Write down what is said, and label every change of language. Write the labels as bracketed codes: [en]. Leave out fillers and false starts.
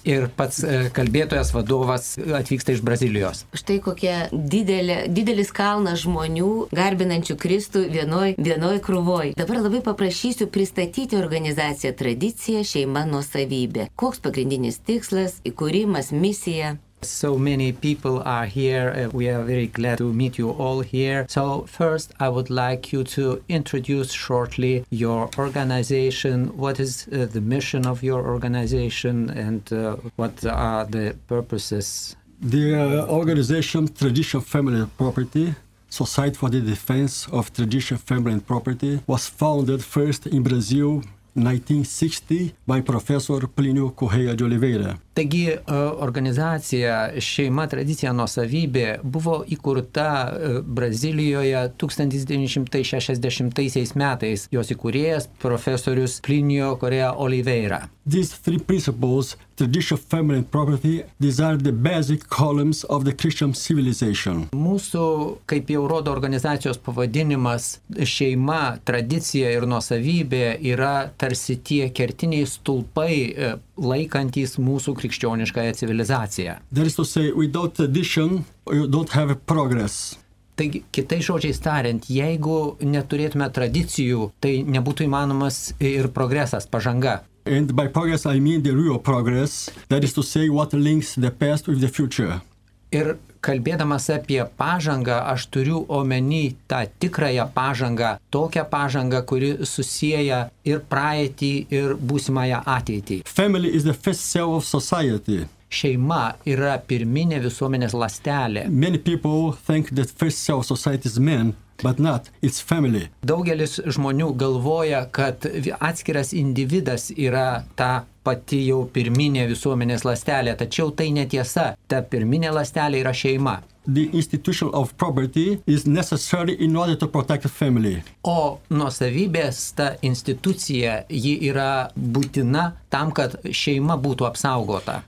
[lt] Ir pats kalbėtojas, vadovas atvyksta iš Brazilijos. Štai kokia didelis kalnas žmonių, garbinančių Kristų vienoj krūvoj. Dabar labai paprašysiu pristatyti organizaciją Tradicija, šeima, nuosavybė. Koks pagrindinis tikslas, įkūrimas, misija? [en] So many people are here. We are very glad to meet you all here. So first, I would like you to introduce shortly your organization. What is the mission of your organization and what are the purposes? The organization Tradition Family Property, Society for the Defense of Tradition Family and Property, was founded first in Brazil 1960 by Professor Plinio Correia de Oliveira. [lt] Taigi, organizacija Šeima Tradicija Nuosavybė buvo įkurta Brazilijoje 1960 metais. Jos įkūrėjas profesorius Plinio Correia Oliveira. [en] These three principles, tradition, family and property, these are the basic columns of the Christian civilization. [lt] Mūsų, kaip jau rodo organizacijos pavadinimas, šeima, tradicija ir nuosavybė yra tarsi tie kertiniai stulpai laikantys mūsų krikščioniškąją civilizaciją. [en] That is to say, without tradition, you don't have progress. [lt] Taigi, kitai žodžiai tariant, jeigu neturėtume tradicijų, tai nebūtų įmanomas ir progresas, pažanga. [en] And by progress, I mean the real progress, that is to say, what links the past with the future. [lt] Ir kalbėdamas apie pažangą, aš turiu omeny tą tikrąją pažangą, tokią pažangą, kuri susieja ir praeitį, ir būsimąją ateitį. [en] Family is the first cell of society. [lt] Šeima yra pirminė visuomenės lastelė. [en] Many people think that first cell of society is men. But not, it's family. [lt] Daugelis žmonių galvoja, kad atskiras individas yra ta pati jau pirminė visuomenės lastelė, tačiau tai netiesa, ta pirminė lastelė yra šeima. [en] The institution of property is necessary in order to protect the family. [lt] O nuosavybės ta institucija, ji yra būtina tam, kad šeima būtų apsaugota.